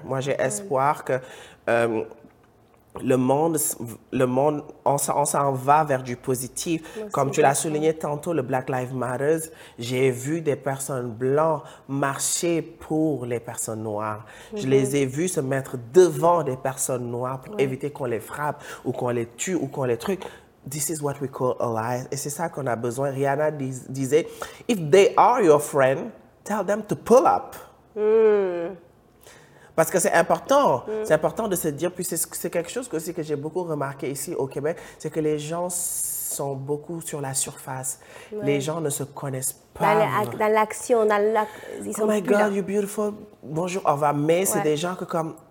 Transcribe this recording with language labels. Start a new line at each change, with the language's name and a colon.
French: Moi, j'ai espoir que le monde on s'en va vers du positif. Moi, comme tu l'as souligné tantôt, le Black Lives Matter, j'ai vu des personnes blanches marcher pour les personnes noires. Mm-hmm. Je les ai vues se mettre devant des personnes noires pour éviter qu'on les frappe ou qu'on les tue ou qu'on les truc.
English: This is what we call allies.
French: Et c'est ça qu'on a besoin.
English: Rihanna
French: disait,
English: if they are your friend, tell them to pull up.
French: Parce que c'est important. C'est important de se dire, puis c'est quelque chose aussi que j'ai beaucoup remarqué ici au Québec, c'est que les gens sont beaucoup sur la surface. Ouais. Les gens ne se connaissent pas. Dans l'action, ils sont là.
English: Oh my God, you're beautiful.
French: Bonjour, au revoir. Mais c'est des gens que comme...